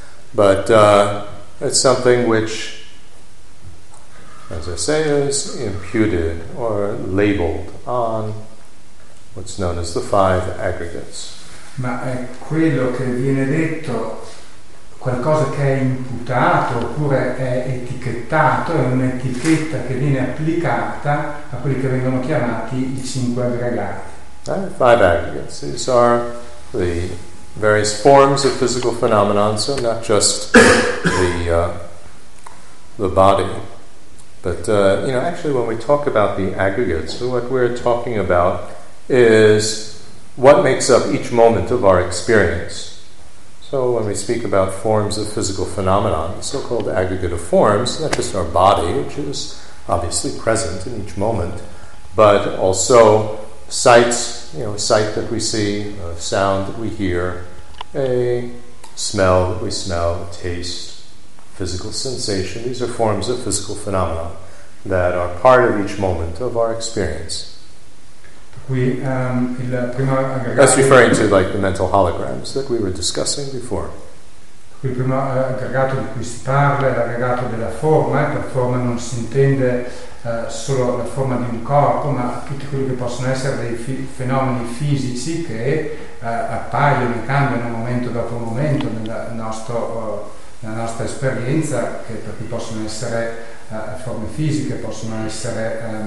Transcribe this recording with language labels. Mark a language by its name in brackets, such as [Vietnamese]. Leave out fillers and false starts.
[English] But it's something which, as I say, is imputed or labeled on what's known as the five aggregates. [Italian] Ma è quello che viene detto, qualcosa che è imputato oppure è etichettato, è un'etichetta che viene applicata a quelli che vengono chiamati i cinque aggregati. [English] Five aggregates. These are the various forms of physical phenomena, so not just the body. But you know, actually when we talk about the aggregates, what we're talking about is what makes up each moment of our experience. So when we speak about forms of physical phenomena, the so-called aggregate of forms, not just our body, which is obviously present in each moment, but also sights, you know, a sight that we see, a sound that we hear, a smell that we smell, a taste, physical sensation. These are forms of physical phenomena that are part of each moment of our experience. [Italian] Il primo aggregato. [English] That's referring to like the mental holograms that we were discussing before. [Italian] Il primo aggregato di cui si parla è l'aggregato della forma, e per forma non si intende solo la forma di un corpo, ma tutti quelli che possono essere dei fenomeni fisici che appaiono e cambiano momento dopo momento nella nostra esperienza, che perché possono essere forme fisiche, possono essere